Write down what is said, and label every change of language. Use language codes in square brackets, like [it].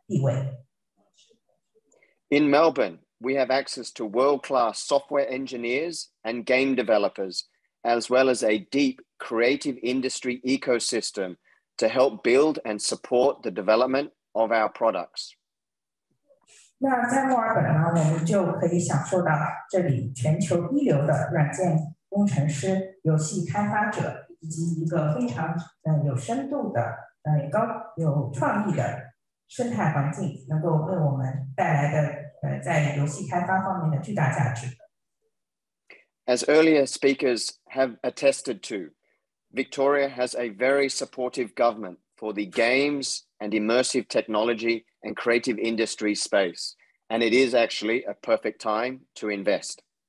[zh] 就将整个团队全都迁移到墨尔本来享受这里作为国际数字游戏产业中心的地位。 [en] In Melbourne, we have access to world-class software engineers and game developers, as well as a deep creative industry ecosystem to help build and support the development of our products. [zh] 那在墨尔本呢，我们就可以享受到这里全球一流的软件工程师、游戏开发者以及一个非常有深度的、高有创意的生态环境，能够为我们带来的在游戏开发方面的巨大价值。 [en] As earlier speakers have attested to, Victoria has a very supportive government for the games and immersive technology and creative industry space. And it is actually a perfect time to invest.